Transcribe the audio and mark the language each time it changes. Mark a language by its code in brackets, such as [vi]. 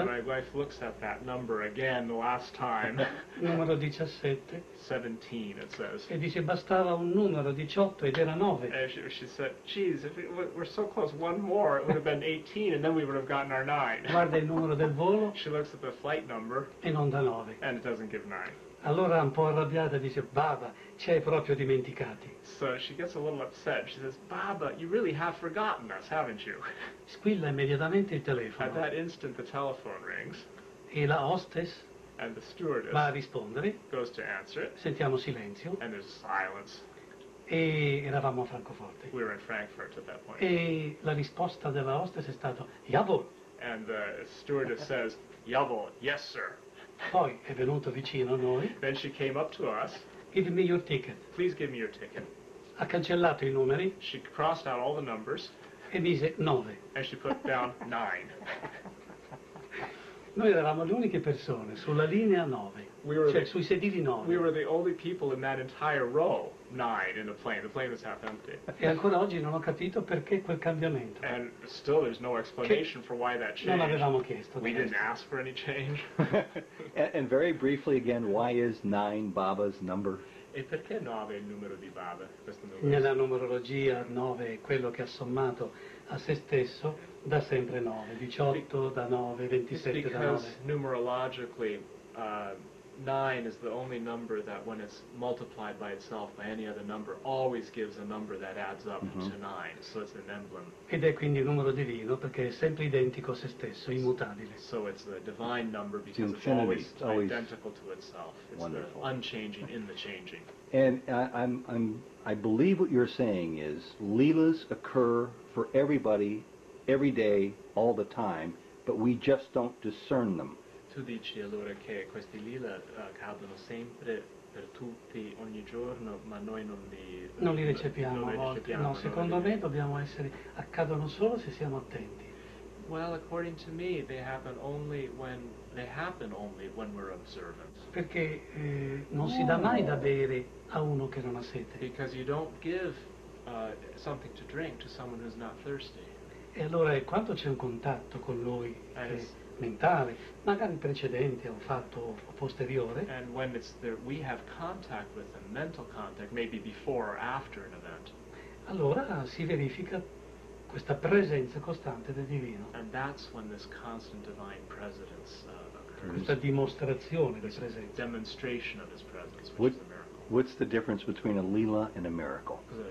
[en] And my wife looks at that number again, the last time. [it] Numero 17. [en] 17, it says. [it] E dice, bastava un numero, 18, ed era 9. [en] And she said, geez, if we're so close, one more, it would have been 18, and then we would have gotten our 9. [it] Guarda il numero del volo. [en] She looks at the flight number. [it] E non da 9. [en] And it doesn't give 9. [it] Allora, un po' arrabbiata, dice, Baba, ci hai proprio dimenticati. [en] So she gets a little upset. She says, Baba, you really have forgotten us, haven't you? [it] Squilla immediatamente il telefono. [en] At that instant, the telephone rings. [it] E la hostess, [en] and the stewardess, [it] va a rispondere. [en] Goes to answer it. [it] Sentiamo silenzio. [en] And there's silence. [it] E eravamo a Francoforte. [en] We were in Frankfurt at that point. [it] E la risposta della hostess è stata, Jawohl. [en] And the stewardess says, Jawohl, yes, sir. [it] Poi è venuto vicino a noi. [en] Then she came up to us. Give me your ticket. Please give me your ticket. [it] Ha cancellato i numeri. [en] She crossed out all the numbers. [it] E mise 9. [en] And she put down 9. [it] Noi eravamo le uniche persone sulla linea 9. Sui sedili 9. [en] We were the only people in that entire row, 9, in the plane. The plane was half empty. [it] E ancora oggi non ho capito perché quel cambiamento. [en] And still there's no explanation for why that change. [it] Non avevamo chiesto. [en] We didn't ask for any change. And very briefly again, why is 9 Baba's number? [it] E perché 9 è il numero di Baba? Nella numerologia 9 è quello che ha sommato a se stesso da sempre 9. 18 da 9, 27 da 9. [en] Because numerologically, 9 is the only number that when it's multiplied by itself by any other number always gives a number that adds up to 9, so it's an emblem. [it] Ed è quindi un numero divino perché è sempre identico a se stesso, immutabile. [en] So it's the divine number because it's always identical to itself. It's wonderful. The unchanging in the changing. And I believe what you're saying is leelas occur for everybody, every day, all the time, but we just don't discern them. [it] Tu dici allora che questi lila cadono sempre per tutti ogni giorno, ma noi non li recepiamo a volte. No, secondo me dobbiamo essere accadono solo se siamo attenti. [en] Well, according to me, they happen only when we're observant. [it] Perché non si dà mai da bere a uno che non ha sete. [en] Because you don't give something to drink to someone who's not thirsty. [it] E allora quanto c'è un contatto con lui? Mentale, magari precedente a un fatto posteriore. [en] And when it's there, we have contact with them, mental contact, maybe before or after an event. [it] Allora si verifica questa presenza costante del divino. [en] And that's when this constant divine presence occurs. [it] Questa dimostrazione di presenza. [en] This demonstration of his presence, which is a miracle. What's the difference between a lila and a miracle?